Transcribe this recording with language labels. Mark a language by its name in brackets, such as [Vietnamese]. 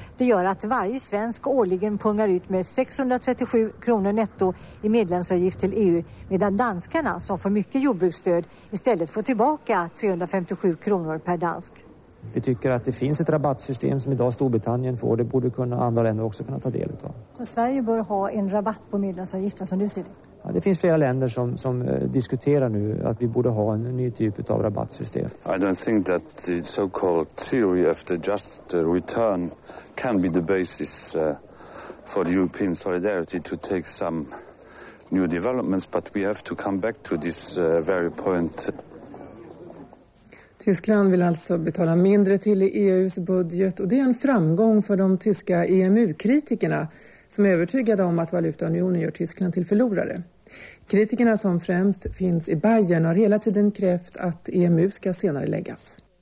[Swedish] Det gör att varje svensk årligen pungar ut med 637 kronor netto i medlemsavgift till EU, medan danskarna som får mycket jordbruksstöd istället får tillbaka 357 kronor per dansk. Vi tycker att det finns ett rabattsystem som idag Storbritannien får. Det borde kunna andra länder också kunna ta del av. Så Sverige bör ha en rabatt på medlemsavgiften som du ser det? Ja, det finns flera länder som diskuterar nu att vi borde ha en ny typ av rabattsystem. [English] I don't think that the so-called theory of the just return can be the basis for European solidarity to take some new developments, but we have to come back to this very point. [Swedish] Tyskland vill alltså betala mindre till EU:s budget, och det är en framgång för de tyska EMU-kritikerna som är övertygade om att valutaunionen gör Tyskland till förlorare. Kritikerna som främst finns i Bayern har hela tiden krävt att EMU ska senare läggas.